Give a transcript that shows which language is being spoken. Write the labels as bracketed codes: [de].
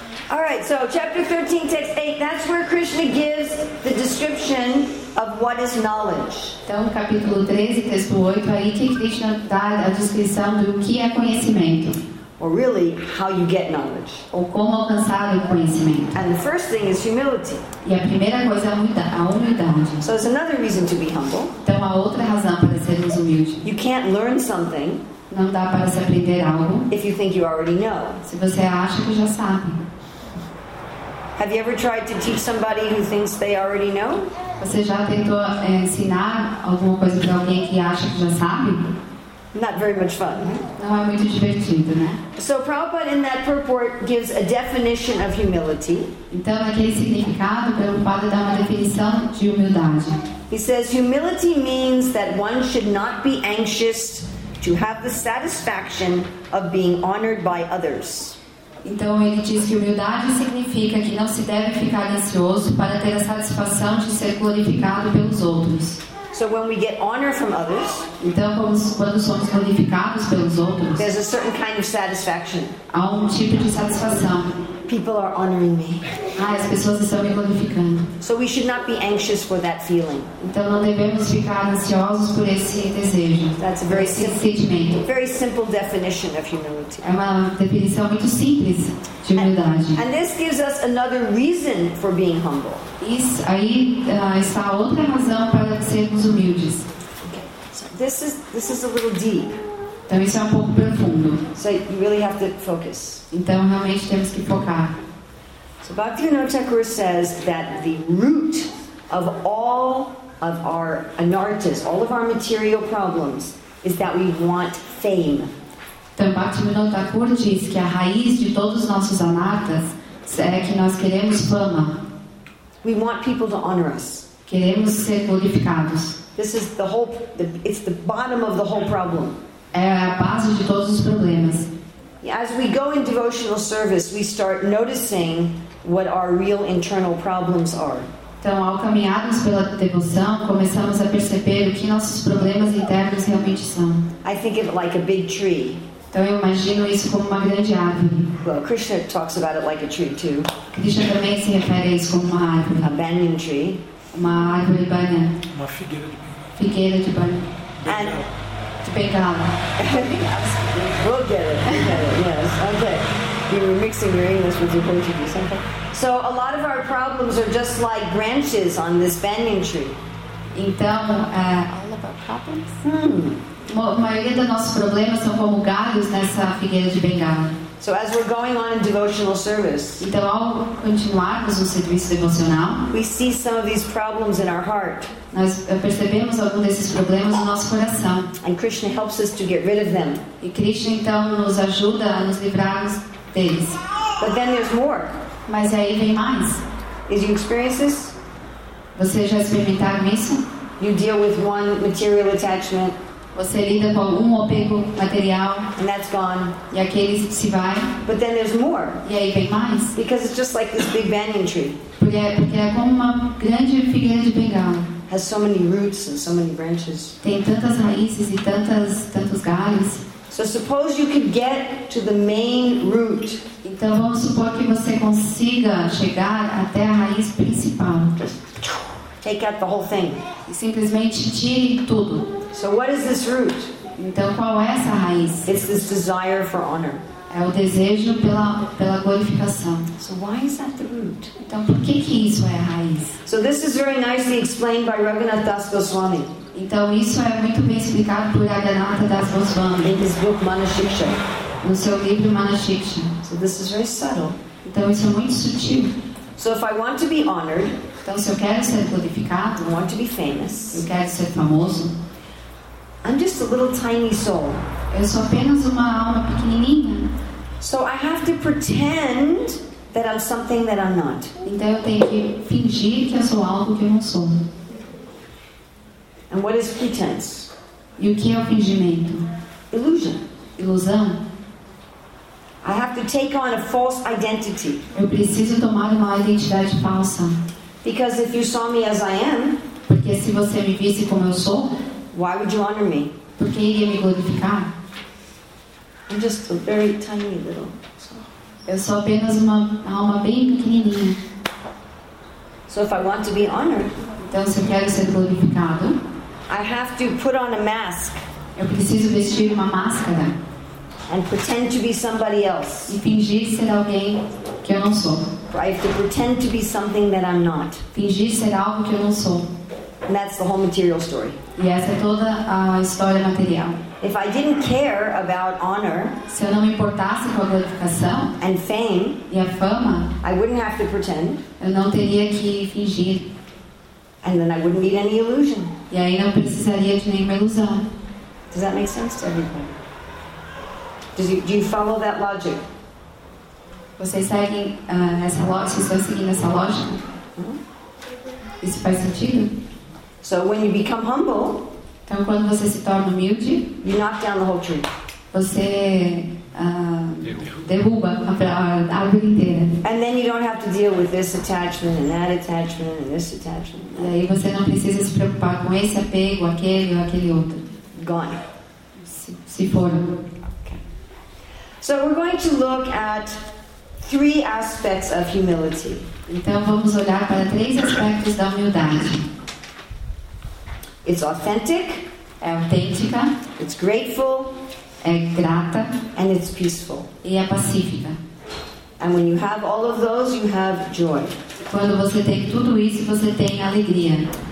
[en] Alright, so chapter 13, text 8, that's where Krishna gives the description of what is knowledge. [pt] Então, capítulo 13, texto 8, aí que Krishna dá a descrição do que é conhecimento. [en] Or really, how you get knowledge. [pt] Ou como alcançar o conhecimento. [en] And the first thing is humility. [pt] E a primeira coisa é a humildade. [en] So there's another reason to be humble. [pt] Então, há outra razão para sermos humildes. [en] You can't learn something. [pt] Não dá para se aprender algo. [en] If you think you already know. [pt] Se você acha que já sabe. [en] Have you ever tried to teach somebody who thinks they already know? [pt] Você já tentou ensinar alguma coisa para alguém que acha que já sabe? [en] Not very much fun. [pt] Não é muito divertido, né? [en] So Prabhupada in that purport gives a definition of humility. [pt] Então aquele significado, Prabhupada dá uma definição de humildade. [en] He says humility means that one should not be anxious to have the satisfaction of being honored by others. [pt] Então ele diz que humildade significa que não se deve ficar ansioso para ter a satisfação de ser glorificado pelos outros. [en] So when we get honor from others, [pt] então quando somos glorificados pelos outros, [en] there's a certain kind of satisfaction. [pt] Há um tipo de satisfação. [en] People are honoring me. [pt] Ah, as pessoas estão me glorificando. [en] So we should not be anxious for that feeling. [pt] Então não devemos ficar ansiosos por esse desejo. [en] That's a very simple definition of humility. [pt] É uma definição muito simples de humildade. [en] And this gives us another reason for being humble. [pt] Isso aí está outra razão para sermos humildes. [en] Okay. So this is a little deep. [pt] Então isso é um pouco profundo. [en] So you really have to focus. [pt] Então realmente temos que focar. [en] So Bhaktivinoda Thakur says that the root of all of our anarthas, all of our material problems, is that we want fame. [pt] Então Bhaktivinoda Thakur diz que a raiz de todos os nossos anarthas é que nós queremos fama. [en] We want people to honor us. [pt] Queremos ser glorificados. [en] This is the whole, it's the bottom of the whole problem. [pt] É a base de todos os problemas. [en] As we go in devotional service, we start noticing what our real internal problems are. [pt] Então, ao caminharmos pela devoção, começamos a perceber o que nossos problemas internos realmente são. [en] I think of it like a big tree. [pt] Então, eu imagino isso como uma grande árvore. [en] Well, Krishna talks about it like a tree too. [pt] Krishna também se refere a isso como uma árvore. [en] A banyan tree. [pt] Uma árvore de banyan. Uma figueira de banyan. Figueira de banyan. [en] And [pt] de bengala. [en] We'll get it. Yes. Okay. You were mixing your English with your Portuguese, okay? So a lot of our problems are just like branches on this banyan tree. [pt] Então, [en] all of our problems? [pt] A maioria dos nossos problemas são como galhos nessa figueira de bengala. [en] So as we're going on in devotional service, [pt] então, ao continuarmos no serviço devocional, [en] we see some of these problems in our heart. [pt] Nós percebemos alguns desses problemas no nosso coração. [en] And Krishna helps us to get rid of them. [pt] E Krishna, então, nos ajuda a nos livrarmos. [en] But then there's more. [pt] Mas aí vem mais. [en] Did you experience this? [pt] Você já experimentou isso? [en] You deal with one material attachment. [pt] Você lida com algum apego material. [en] And that's gone. [pt] E aquele se vai. [en] But then there's more. [pt] E aí vem mais. [en] Because it's just like this big banyan tree. [pt] Porque é como uma grande figueira de bengala. [en] Has so many roots and so many branches. [pt] Tem tantas raízes e tantos galhos. [en] So suppose you could get to the main root. [pt] Então vamos supor que você consiga chegar até a raiz principal. [en] Just take out the whole thing. [pt] E simplesmente tire tudo. [en] So what is this root? [pt] Então qual é essa raiz? [en] It's this desire for honor. [pt] É o desejo pela glorificação. [en] So why is that the root? [pt] Então por que isso é a raiz? [en] So this is very nicely explained by Raghunath Das Goswami. [pt] Então isso é muito bem explicado por Raghunatha Das Goswami. [en] In his book Manashiksha. [pt] No seu livro Manashiksha. [en] So this is very subtle. [pt] Então isso é muito sutil. [en] So if I want to be honored, [pt] então se eu quero ser glorificado, [en] I want to be famous, [pt] eu quero ser famoso, [en] I'm just a little tiny soul. [pt] Eu sou apenas uma alma pequenininha. [en] So I have to pretend that I'm something that I'm not. [pt] Então eu tenho que fingir que eu sou algo que eu não sou. [en] And what is pretense? [pt] E o que é o fingimento? [en] Illusion. [pt] Ilusão. [en] I have to take on a false identity. [pt] Eu preciso tomar uma identidade falsa. [en] Because if you saw me as I am, [pt] porque se você me visse como eu sou, [en] why would you honor me? [pt] Por que iria me glorificar? [en] I'm just a very tiny little soul. [pt] Eu sou apenas uma alma bem pequenininha. [en] So if I want to be honored, [pt] então se eu quero ser glorificado, [en] I have to put on a mask. [pt] Eu preciso vestir uma máscara. [en] And pretend to be somebody else. [pt] E fingir ser alguém que eu não sou. [en] Or I have to pretend to be something that I'm not. [pt] Fingir ser algo que eu não sou. [en] And that's the whole material story. [pt] E essa é toda a história material. [en] If I didn't care about honor, [pt] se eu não me importasse com a glorificação, [en] and fame, [pt] e a fama, [en] I wouldn't have to pretend. [pt] Eu não teria que fingir. [en] And then I wouldn't need any illusion. [pt] E aí não precisaria de nenhuma ilusão. [en] Does that make sense to everybody? Do you follow that logic? [pt] Você segue essa lógica? Estou seguindo essa lógica? Mm-hmm. Isso faz sentido? [en] So when you become humble, [pt] então quando você se torna humilde, [en] you knock down the whole tree. [pt] Você derruba a árvore inteira. [en] And then you don't have to deal with this attachment and that attachment and this attachment. [pt] E aí você não precisa se preocupar com esse apego, aquele ou aquele outro. [en] Gone. [pt] Se for. [en] Okay. So we're going to look at three aspects of humility. [pt] Então vamos olhar para três aspectos da humildade. [en] It's authentic. [pt] É autêntica. [en] It's grateful. [pt] É grata. [en] And it's peaceful. [pt] E é pacífica. [en] And when you have all of those, you have joy. [pt] Quando você tem tudo isso, você tem alegria.